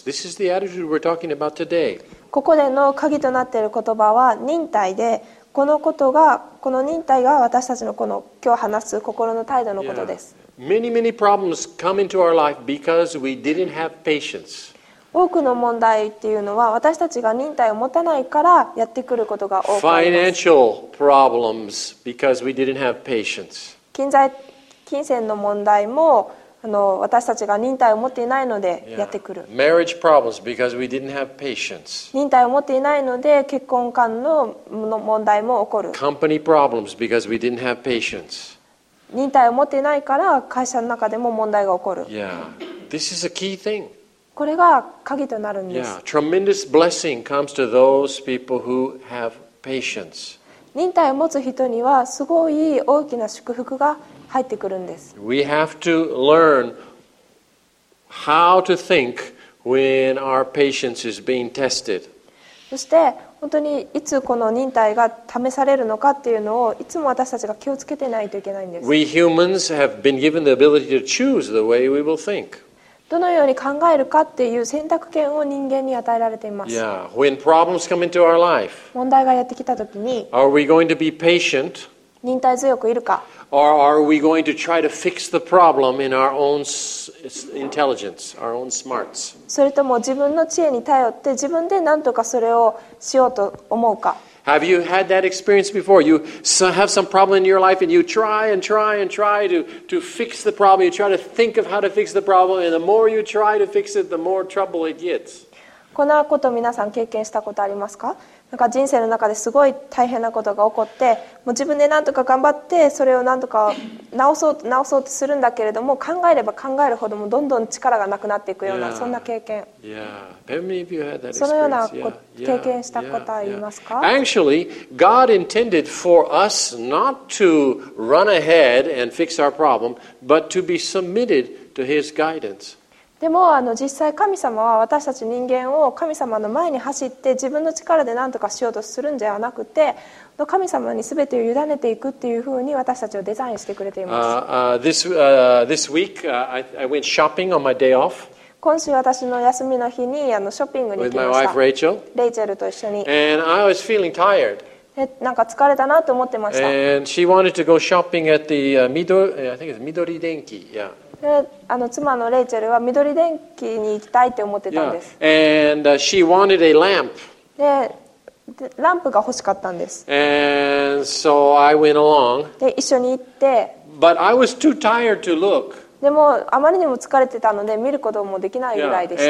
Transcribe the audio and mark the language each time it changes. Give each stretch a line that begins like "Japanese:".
English: This is the attitude we're talking about today.
Japanese: ここでの鍵となっている言葉は忍耐で、この忍耐が私たちのこの今日話す心の態度のことです。
English: Yeah. Many, many problems come into our life because we didn't have patience.
Japanese: 多くの問題っていうのは私たちが忍耐を持たないからやってくることが多くあります。
English: Financial problems because we didn't have patience.
Japanese: 金銭の問題も私たちが忍耐を持っていないのでやってくる。
English: Yeah. Marriage problems because we didn't have patience.
Japanese: 忍耐を持っていないので結婚間の問題も起こる。
English: Company problems because we didn't have patience.
Japanese: 忍耐を持っていないから会社の中でも問題が起こる。
English: Yeah. This is a key thing.
Japanese: これが鍵となるんです。
English: Yeah. Tremendous blessing comes to those people who have patience.
Japanese: 忍耐を持つ人にはすごい大きな祝福が入ってくるんです。
English: We have to learn how to think when our patience is being tested.
Japanese: そして本当にいつこの忍耐が試されるのかっていうのをいつも私たちが気をつけてないといけないんです。
English: We humans have been given the ability to choose the way we will think.
Japanese: どのように考えるかっていう選択権を人間に与えられています。
English: Yeah, when problems come into our life,
Japanese: 問題がやってきたときに、
English: are we going to be patient?
Japanese: 忍耐強くいるか。
English: Or are we going to try to fix the problem in our own intelligence, our own smarts?
Japanese: それとも自分の知恵に頼って自分で何とかそれをしようと思うか。
English: Have you had that experience before? You have some problem in your life and you try and try and try to fix the problem. You try to think of how to fix the problem and the more you try to fix it, the more trouble it gets.
Japanese: こんなこと皆さん経験したことありますか?なんか人生の中ですごい大変なことが起こって、もう自分で何とか頑張ってそれを何とか直そうとするんだけれども、考えれば考えるほどもどんどん力がなくなっていくような、
English: yeah.
Japanese: そんな経験。
English: Yeah.
Japanese: そのような経験したことありますか
English: ？Actually, God intended for us not to run ahead and fix our problem, but to be submitted to His guidance.
Japanese: でも実際神様は私たち人間を神様の前に走って自分の力で何とかしようとするんじゃなくて神様に全てを委ねていくっていうふうに私たちをデザインしてくれています。
English: This week, I went shopping on my day off.
Japanese: 今週私の休みの日にショッピングに行きました。
English: With my wife, Rachel.
Japanese: レイチェルと一緒に。
English: And I was feeling tired.
Japanese: なんか疲れたなと思ってました。
English: And she wanted to go shopping at the Midori Denki. Yeah.
Japanese: あの妻のレイチェルは緑電機に行きたいって思ってたんです。
English: Yeah. And she wanted a lamp.
Japanese: で、ランプが欲しかったんです。
English: And so I went along.
Japanese: で、一緒に行って。
English: But I was too tired to look.
Japanese: でもあまりにも疲れてたので見ることもできないぐらいでした。